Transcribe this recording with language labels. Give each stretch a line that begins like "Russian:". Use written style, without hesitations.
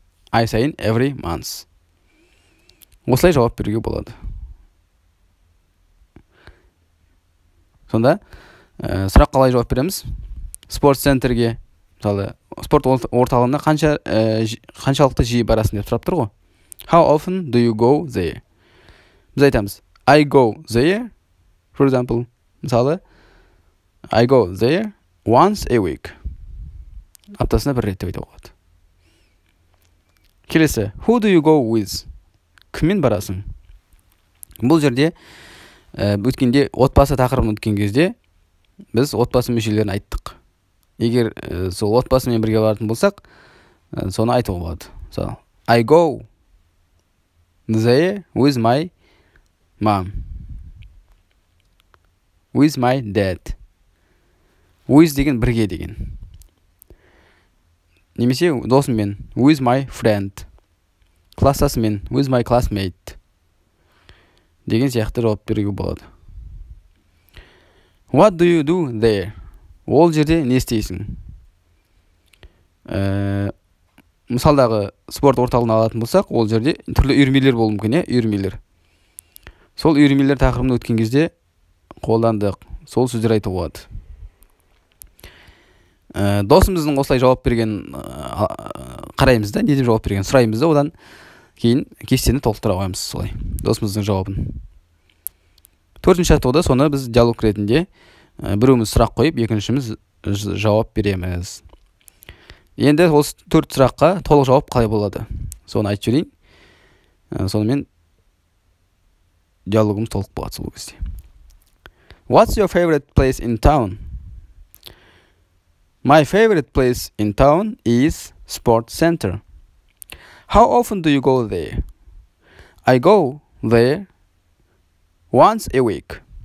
Kazakh: Ай сайын,
English: every month.
Kazakh: Осылай жауап беруге болады. Сонда, сұрақ қалай жауап береміз? Спорт центрге, мысалы, спорт орталығына қаншалықты жиі барасың деп сұрап тұр ғой.
English: How often do you go there?
Kazakh: Біз айтамыз,
English: I go there, for example,
Kazakh: мысалы,
English: I go there once a week.
Kazakh: Аптасына бір рет деп айтуға болады. Келесі,
English: who do you go with?
Kazakh: Кіммен барасың? Бұл жерде өткенде отбасы тақырыбын өткен кезде біз отбасы мүшелерін айттық. Егер сол отбасымен бірге баратын болсақ, соны айтуға болады. Мысалы,
English: I go there with my mom. With my dad.
Kazakh: With деген бірге деген. Немесе досыммен,
English: with my friend.
Kazakh: Класстасыммен,
English: with my classmate.
Kazakh: Деген сияқты жауап беруге болады.
English: What do you do there?
Kazakh: Ол жерде не істейсің? Мысалдағы спорт орталығын алатын болсақ, ол жерде түрлі үйірмелер болуы мүмкін, үйірмелер. Сол үйірмелер тақырыбын өткен кезде қолдандық. Сол сөздер айтуға болады. Досымыздың осылай жауап берген қараймыз да, не деп жауап берген сұраймыз да, одан кейін кестені толықтыра қоямыз солай. Досымыздың жауабын. Төртінші жаттығуда соны біз диалог ретінде біреуіміз сұрақ қойып, екіншіміз жауап береміз. Енді осы төрт сұраққа толық жауап қалай болады? Соны айтып жіберейін. Сонымен диалогымыз толық болады сол кезде.
English: What's your favorite place in town? My favorite place in town is sports center. How often do you go there? I go there once a week.